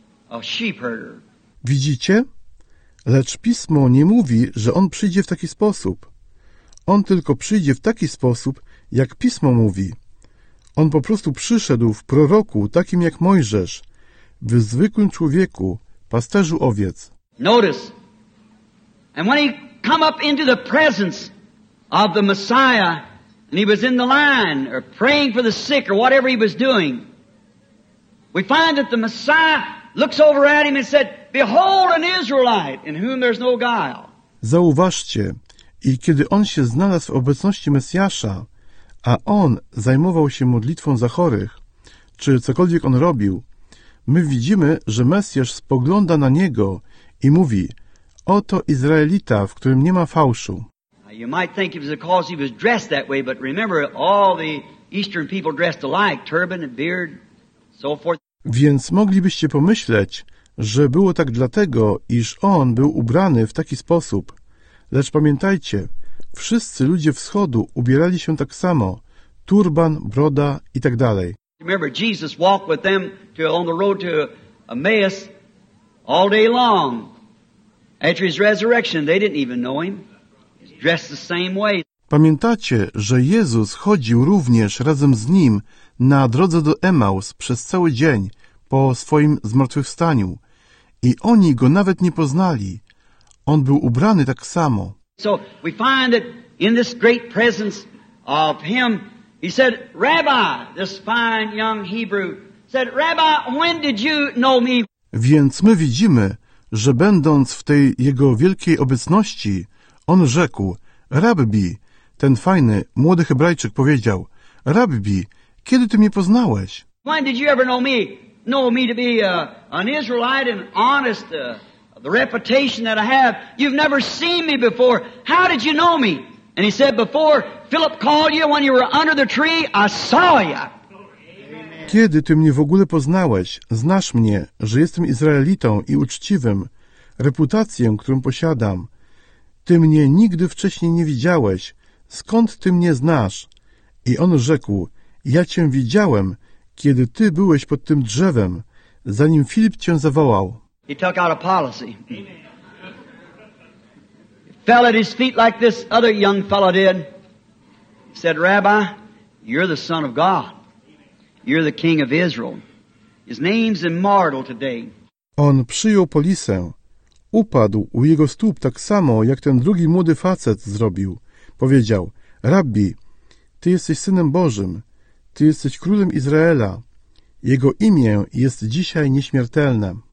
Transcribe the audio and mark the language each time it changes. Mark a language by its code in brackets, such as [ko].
[en] A sheep herder. [pl] Widzicie? Lecz Pismo nie mówi, że on przyjdzie w taki sposób. On tylko przyjdzie w taki sposób, jak Pismo mówi. On po prostu przyszedł w proroku, takim jak Mojżesz, w zwykłym człowieku, pasterzu owiec. [en] Notice. And when he come up into the presence of the Messiah, and he was in the line, or praying for the sick, or whatever he was doing, we find that the Messiah looks over at him and said, behold an Israelite in whom there's no guile. [pl] Zauważcie, i kiedy on się znalazł w obecności Mesjasza, a on zajmował się modlitwą za chorych, czy cokolwiek on robił, my widzimy, że Mesjasz spogląda na niego i mówi, oto Izraelita, w którym nie ma fałszu. [en] You might think it was because he was dressed that way, but remember all the Eastern people dressed alike, turban and beard, so forth. [pl] Więc moglibyście pomyśleć, że było tak dlatego, iż on był ubrany w taki sposób. Lecz pamiętajcie, wszyscy ludzie wschodu ubierali się tak samo, turban, broda i tak dalej. [en] Remember, Jesus walked with them on the road to Emmaus all day long. After his resurrection, they didn't even know him. He's dressed the same way. [pl] Pamiętacie, że Jezus chodził również razem z nim na drodze do Emaus przez cały dzień po swoim zmartwychwstaniu i oni go nawet nie poznali. On był ubrany tak samo. [en] So we find that in this great presence of him, he said, Rabbi, this fine young Hebrew, said, Rabbi, when did you know me? [pl] Więc my widzimy, że będąc w tej jego wielkiej obecności, on rzekł, Rabbi, ten fajny, młody Hebrajczyk powiedział, Rabbi, kiedy ty mnie poznałeś? [en] When did you ever know me to be an Israelite and honest, the reputation that I have? You've never seen me before. How did you know me? And he said, before Philip called you when you were under the tree, I saw you. Amen. [pl] Kiedy ty mnie w ogóle poznałeś, znasz mnie, że jestem Izraelitą i uczciwym, reputację, którą posiadam. Ty mnie nigdy wcześniej nie widziałeś. Skąd ty mnie znasz? I on rzekł, ja cię widziałem, kiedy ty byłeś pod tym drzewem, zanim Filip cię zawołał. [en] He took out a policy. He fell at his feet like this other young fellow did. He said, Rabbi, you're the son of God. You're the king of Israel. His name's immortal today. [pl] On przyjął polisę. Upadł u jego stóp tak samo, jak ten drugi młody facet zrobił. Powiedział, Rabbi, ty jesteś Synem Bożym, ty jesteś Królem Izraela. Jego imię jest dzisiaj nieśmiertelne.